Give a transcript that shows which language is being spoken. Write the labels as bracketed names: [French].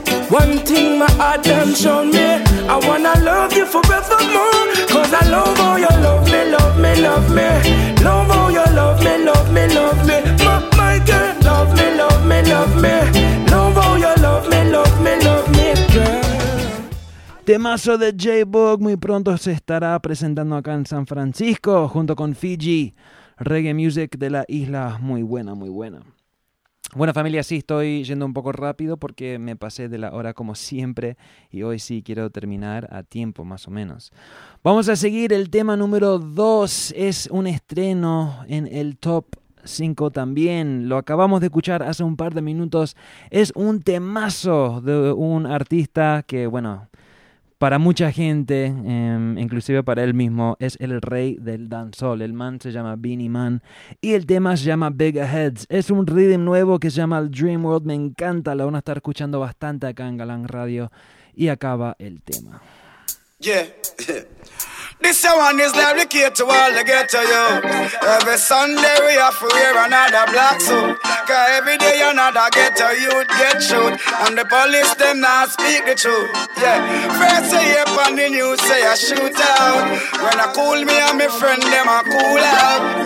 [English] One thing my heart done shown me, I wanna love you forevermore. Cause I love all your love me, love me, love me. Love all your love me, love me, love me. My girl, love me, love me, love me. Love all your love me, love me, love me, girl. [Spanish] Temazo de J-Bug muy pronto se estará presentando acá en San Francisco junto con Fiji. Reggae music de la isla, muy buena, muy buena. Bueno, familia, sí, estoy yendo un poco rápido porque me pasé de la hora como siempre y hoy sí quiero terminar a tiempo más o menos. Vamos a seguir, el tema número 2 es un estreno en el top 5 también, lo acabamos de escuchar hace un par de minutos. Es un temazo de un artista que, bueno, para mucha gente, inclusive para él mismo, es el rey del dancehall. El man se llama Beanie Man y el tema se llama Bigger Heads. Es un rhythm nuevo que se llama el Dream World. Me encanta, lo van a estar escuchando bastante acá en Galán Radio. Y acaba el tema. [English] Yeah. This one is dedicated to all the ghetto, yo. Every Sunday we have to wear another black suit. Cause every day another ghetto youth get shoot. And the police them not speak the truth. Yeah. First say up on the news say I shoot out. When I cool me and my friend them I cool out.